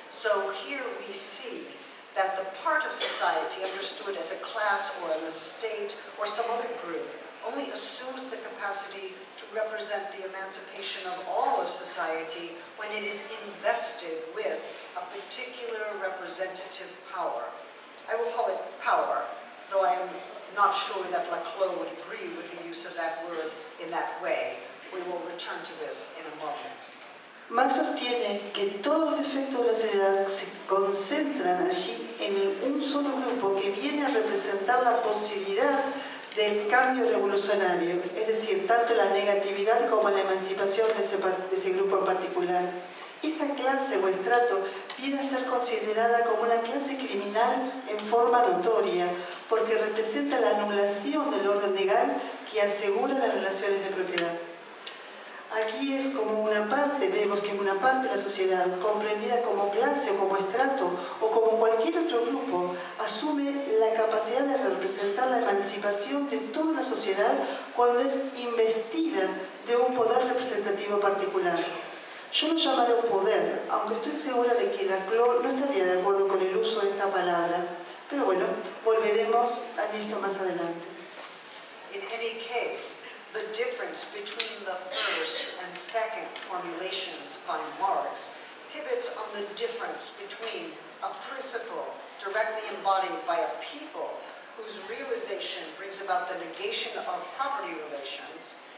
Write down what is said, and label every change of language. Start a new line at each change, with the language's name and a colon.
English: So here we see that the part of society understood as a class or an estate or some other group only assumes the capacity to represent the emancipation of all of society when it is invested with a particular representative power. I will call it power, though I am not sure that Laclau would agree with the use of that word in that way. We will return to this in a moment.
Spanish: Marx sostiene que todos los defectos de la sociedad se concentran allí en un solo grupo que viene a representar la posibilidad del cambio revolucionario, es decir, tanto la negatividad como la emancipación de ese grupo en particular. Esa clase o estrato viene a ser considerada como una clase criminal en forma notoria, porque representa la anulación del orden legal que asegura las relaciones de propiedad. Aquí es como una parte, vemos que una parte de la sociedad, comprendida como clase o como estrato o como cualquier otro grupo, asume la capacidad de representar la emancipación de toda la sociedad cuando es investida de un poder representativo particular. Yo lo llamaré un poder, aunque estoy segura de que Laclau no estaría de acuerdo con el uso de esta palabra. Pero bueno, volveremos a esto más adelante.
English: In any case, the difference between the first and second formulations by Marx pivots on the difference between a principle directly embodied by a people whose realization brings about the negation of property relations